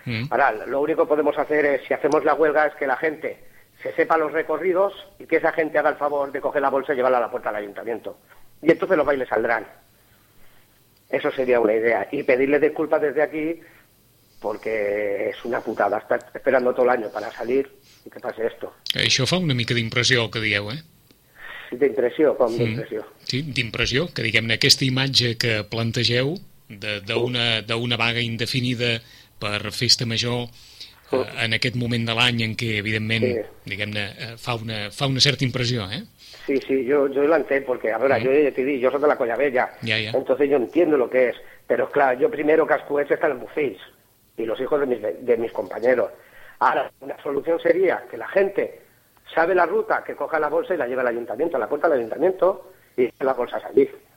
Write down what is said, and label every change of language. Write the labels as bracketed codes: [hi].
[es] Ahora, lo único que podemos hacer es, si hacemos la huelga, es que la gente se sepa los recorridos y que esa gente haga el favor de coger la bolsa y llevarla a la puerta del ayuntamiento. Y entonces los bailes saldrán. Eso sería una idea. Y pedirle disculpas desde aquí, porque es una putada estar esperando todo el año para salir y que pase esto. [ca] Això fa una mica d'impressió, que dieu, eh? D'impressió, com d'impressió? Sí, d'impressió, que diguem-ne aquesta imatge que plantegeu d'una vaga indefinida per Festa Major en aquest moment de l'any en què, evidentment, diguem-ne, fa una certa impressió, eh? Sí, sí, jo l'entenc, perquè, a veure, jo t'he dit, jo soc de la Colla Vella, [es] entonces yo entiendo lo que es, pero, claro, yo primero que escuché están los bufills y los hijos de mis compañeros. Ahora, una solución sería que la gente sabe la ruta, que coja la bolsa y la lleve al ayuntamiento, a la puerta del ayuntamiento, y la bolsa salir.